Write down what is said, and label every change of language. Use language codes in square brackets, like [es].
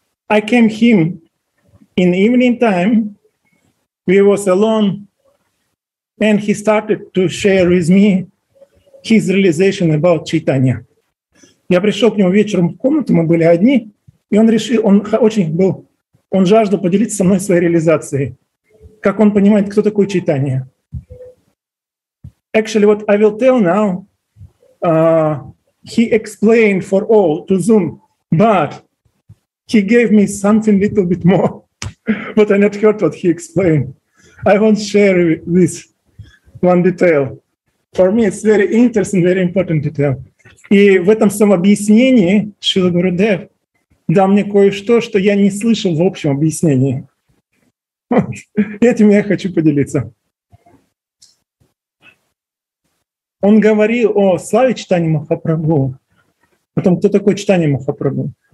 [en] I came him in evening time. We was alone, and he started to share with me his realization about Chaitanya. [ru] Я пришел к нему вечером в комнату, мы были одни. И он решил, он очень был он жаждал поделиться со мной своей реализацией. Как он понимает, кто такой Чайтанья? [en] Actually, what I will tell now, he explained for all to Zoom, but he gave me something little bit more, but I not heard what he explained. I won't share this one detail. For me, it's very interesting, very important detail. [ru] И в этом самообъяснении Шрила Гурудев дал мне кое-что, что я не слышал в общем объяснении. Этим я хочу поделиться. Он говорил о славе Чайтаньи Махапрабху, о том, кто такой Чайтанья Махапрабху.